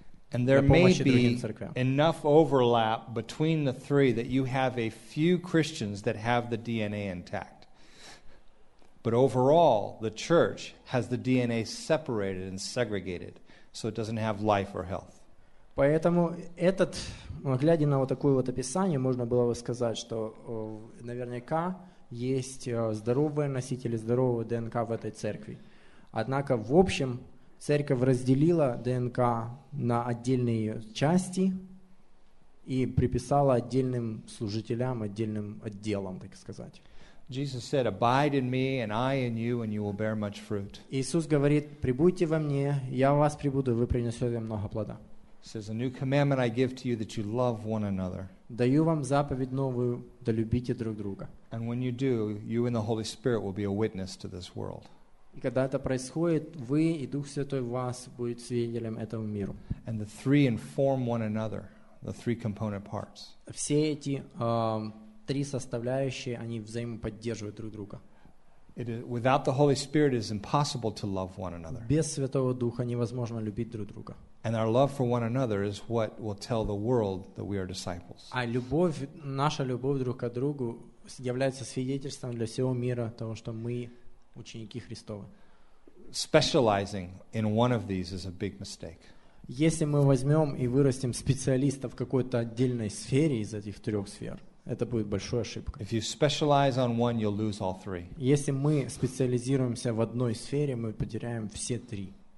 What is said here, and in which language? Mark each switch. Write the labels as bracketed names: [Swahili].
[English] And there may be enough overlap between the three that you have a few Christians that have the DNA intact. But overall, the church has the DNA separated and segregated, so it doesn't have life or health. [Russian] Поэтому этот, глядя на вот такое вот описание, можно было бы сказать, что наверняка есть здоровые носители здорового ДНК в этой церкви. Однако, в общем, церковь разделила ДНК на отдельные части и приписала отдельным служителям, отдельным отделам, так сказать. [English] Jesus said, "Abide in me, and I in you, and you will bear much fruit." [Russian] Иисус говорит: «Прибудьте во мне, я в вас прибуду, и вы принесете много плода». [English] Says a new commandment I give to you that you love one another. [Russian] Даю вам заповедь новую, да любите друг друга. [English] And when you do, you and the Holy Spirit will be a witness to this world. [Russian] И когда это происходит, вы и Дух Святой в вас будет свидетелем этому миру. [English] And the three inform one another, the three component parts. [Russian] Все эти три составляющие, они взаимоподдерживают друг друга. [English] Without the Holy Spirit, it is impossible to love one another. [Russian] Без Святого Духа невозможно любить друг друга. [English] And our love for one another is what will tell the world that we are disciples. [Russian] А любовь, наша любовь друг к другу является свидетельством для всего мира того, что мы ученики Христовы. [English] Specializing in one of these is a big mistake. [Russian] Если мы возьмем и вырастим специалиста в какой-то отдельной сфере из этих трех сфер, это будет большой ошибкой. [English] If you specialize on one, you'll lose all three. [Russian] Если мы специализируемся в одной сфере, мы потеряем все три.